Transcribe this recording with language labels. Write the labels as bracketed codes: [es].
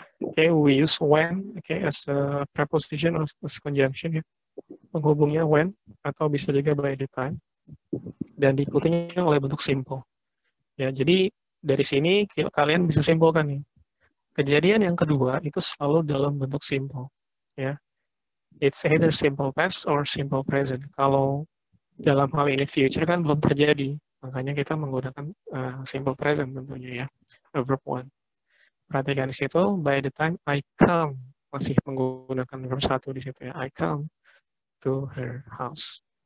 [en] Oke, okay, we use when okay as a preposition or as conjunction ya. [id] Penghubungnya when atau bisa juga by the time dan diikutinya oleh bentuk simple. Ya, jadi dari sini kalian bisa simpulkan nih. Kejadian yang kedua itu selalu dalam bentuk simple. [en] Ya, it's either simple past or simple present. [id] Kalau dalam hal ini future kan belum terjadi, makanya kita menggunakan simple present tentunya ya, verb one. Perhatikan di situ, [en] by the time I come, [id] masih menggunakan verb satu di situ ya, [en] I come to her house.